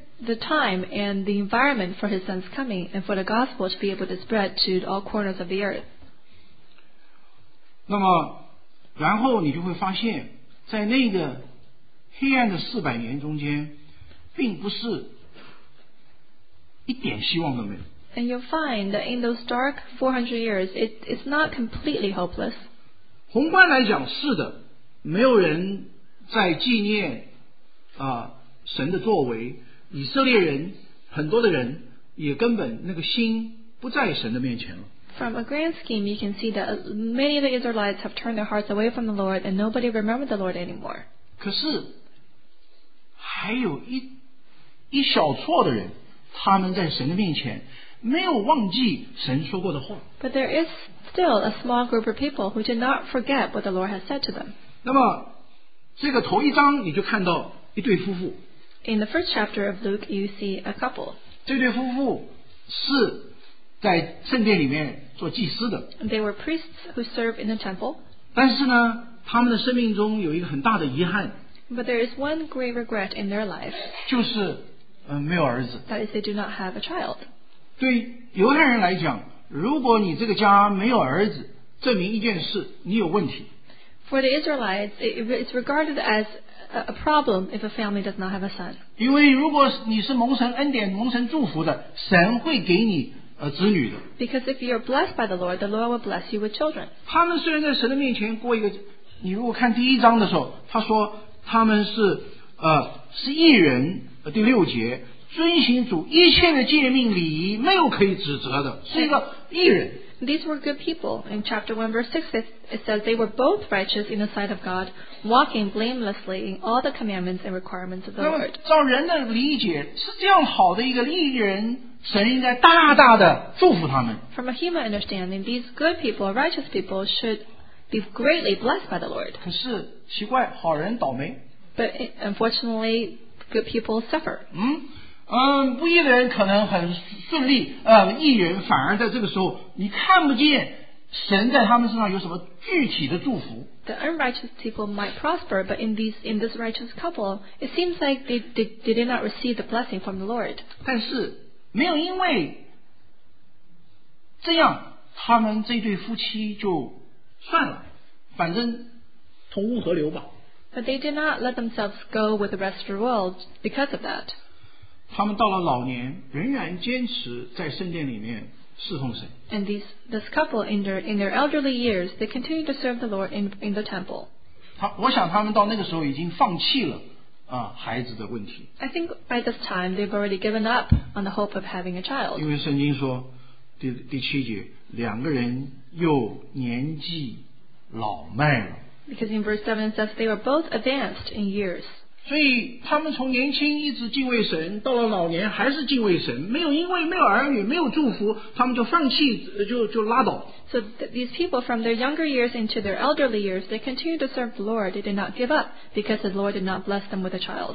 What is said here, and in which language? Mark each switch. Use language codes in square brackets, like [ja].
[en] The time and the environment for his son's coming and for the gospel to be able to spread to all corners of the earth. [zh] 那么然后你就会发现在那个黑暗的四百年中间并不是一点希望都没有。 [en] And you'll find that in those dark 400 years, it's not completely hopeless. [zh] 宏观来讲是的，没有人在纪念啊、神的作为，以色列人很多的人也根本那个心不在神的面前了。 [en] From a grand scheme, you can see that many of the Israelites have turned their hearts away from the Lord, and nobody remembered the Lord anymore. [zh] 可是还有一小撮的人，他们在神的面前没有忘记神说过的话。 [en] But there is still a small group of people who did not forget what the Lord has said to them. [zh] 那么这个头一章你就看到一对夫妇。 [en] In the first chapter of Luke, you see a couple. [zh] 这对夫妇是在圣殿里面做祭司的。 [en] They were priests who served in the temple. [zh] 但是呢，他们的生命中有一个很大的遗憾。 [en] But there is one great regret in their life. [zh] 就是没有儿子。 [en] That is, they do not have a child. [zh] 对犹太人来讲，如果你这个家没有儿子，证明一件事，你有问题。 [en] For the Israelites, it's regarded as a problem if a family does not have a son. [zh] 因为如果你是蒙神恩典、蒙神祝福的，神会给你子女的。 [en] Because if you're blessed by the Lord will bless you with children. [zh] 他们虽然在神的面前过一个，你如果看第一章的时候，他说他们是义人，第六节，遵行主一切的诫命礼仪，没有可以指责的，是一个义人。 [en] These were good people. In chapter 1, verse 6, it says they were both righteous in the sight of God, walking blamelessly in all the commandments and requirements of the Lord. [zh] 照人的理解，是这样好的一个义人，神应该大大的祝福他们。 [en] From a human understanding, these good people, righteous people, should be greatly blessed by the Lord. [zh] 可是奇怪，好人倒霉。 [en] But unfortunately, good people suffer. [zh] 不义的人可能很顺利，义人反而在这个时候，你看不见神在他们身上有什么具体的祝福。 [en] The unrighteous people might prosper, but in this righteous couple, it seems like they did not receive the blessing from the Lord. [zh] 但是没有因为这样，他们这对夫妻就算了，反正同物合流吧。 [en] But they did not let themselves go with the rest of the world because of that. [zh] 他们到了老年，仍然坚持在圣殿里面侍奉神。 [en] And this couple in their elderly years, they continue to serve the Lord in the temple. [zh] 我想他们到那个时候已经放弃了。孩子的问题。 [en] I think by this time they've already given up on the hope of having a child. [zh] 因为圣经说第七节，两个人又年纪老迈了。 [en] Because in verse 7 it says they were both advanced in years. [zh] 所以他们从年轻一直敬畏神，到了老年还是敬畏神，没有因为没有儿女，没有祝福，他们就放弃，就拉倒。 [en] So these people from their younger years into their elderly years, they continue to serve the Lord. They did not give up because the Lord did not bless them with a child.